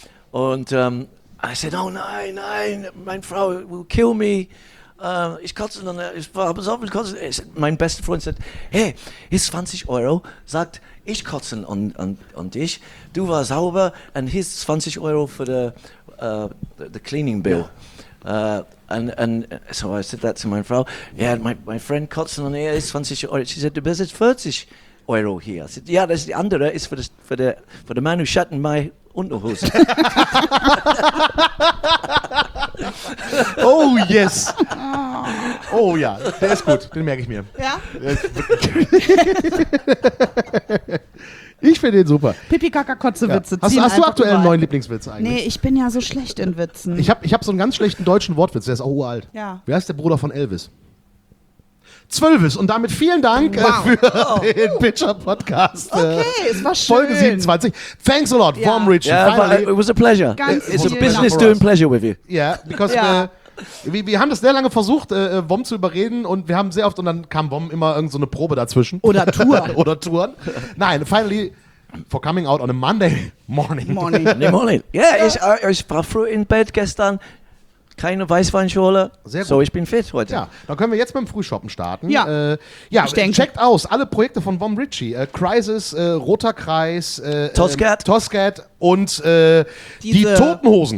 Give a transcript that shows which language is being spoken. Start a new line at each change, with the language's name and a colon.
German: Und
English: I said,
German: oh nein, nein, meine Frau will
English: kill me.
German: Ich kotze, ich war besoffen, ich kotze. Mein bester Freund sagt, hey, ist 20 Euro, sagt, ich kotze an dich, du war sauber und hier ist 20 Euro für
English: the cleaning bill. And so I said that to my Frau. Yeah, my friend kotzen on here,
German: ist 20 Euro.
English: She said,
German: du bist jetzt 40 Euro hier.
English: I said, yeah,
German: das ist die andere, ist für
English: the man who shut in my Unterhose. Oh, yes.
German: Oh, ja. Der ist gut. Den merke ich mir. Ja? Ich finde den super. Pipi, Kaka, Kotze, Witze. Ja. Hast du aktuell einen neuen Lieblingswitz eigentlich? Nee, ich bin ja so schlecht in Witzen. Ich hab so einen ganz schlechten deutschen Wortwitz. Der ist auch uralt. Ja. Wer ist der Bruder von Elvis? Zwölfes. Und damit vielen Dank für den Pitcher-Podcast. Okay, es war schön. Folge 27.
English: Thanks a lot. Warm Rich. Yeah, it was a pleasure. It's a business doing pleasure with you. Yeah, because
German: wir haben das sehr lange versucht, Wom zu überreden und wir haben sehr oft, und dann kam Wom immer irgend so eine Probe dazwischen. Oder Touren. Oder Touren. Nein,
English: finally, for coming out on a Monday morning. Morning.
German: Yeah, ich war früh im Bett gestern. Keine Weißweinschorle. Sehr gut. So, ich bin fit heute. Ja, dann können wir jetzt mit dem Frühshoppen starten. Ja. Ja, ich denke. Checkt aus alle Projekte von Wom Ritchie. Crisis, Roter Kreis, Tozcat und die Totenhosen.